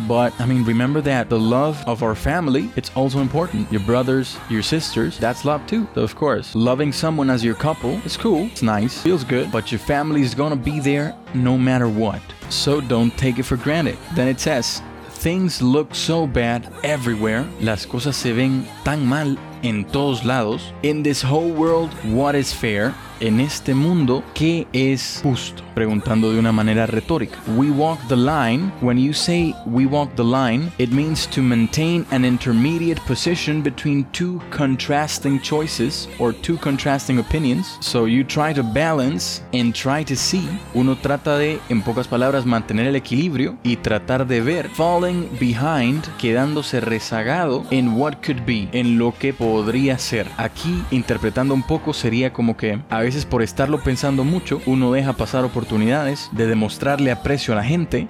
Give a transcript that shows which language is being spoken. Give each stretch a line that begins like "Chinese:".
English: But, I mean, remember that the love of our family, it's also important. Your brothers, your sisters, that's love too. So, of course, loving someone as your couple, it's cool. It's nice. Feels good. But your family is gonna be there no matter what. So don't take it for granted. Then it says, things look so bad everywhere.
Spanish: Las cosas se ven tan mal en todos lados.
English: In this whole world, what is fair?
Spanish: En este mundo, ¿qué es justo? Preguntando de una manera retórica.
English: We walk the line. When you say we walk the line, it means to maintain an intermediate position between two contrasting choices or two contrasting opinions. So you try to balance and try to see.
Spanish: Uno trata de, en pocas palabras, mantener el equilibrio y tratar de ver.
English: Falling behind,
Spanish: quedándose rezagado
English: in what could be,
Spanish: en lo que podría ser. Aquí, interpretando un poco, sería como que a veces por estarlo pensando mucho, uno deja pasar oportunidades de demostrarle aprecio a la gente.